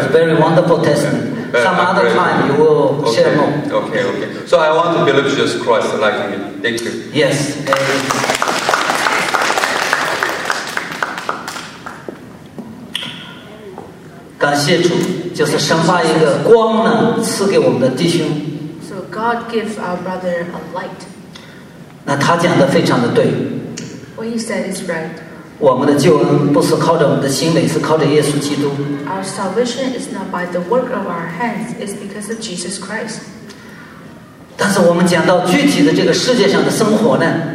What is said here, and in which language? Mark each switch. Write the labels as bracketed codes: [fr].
[en] it's very wonderful testimony. Some other time you will share more. Okay. So I want to believe Jesus Christ like me. Thank you. Yes. Thank you. [zh] 感谢主，就是神把一个光呢赐给我们的弟兄。 [en] So God gives our brother a light. [zh] 那他讲的非常的对。 [en] What you said is right. [zh] 我们的救恩不是靠着我们的行为，是靠着耶稣基督。 [en] Our salvation is not by the work of our hands; it's because of Jesus Christ. [zh] 但是我们讲到具体的这个世界上的生活呢？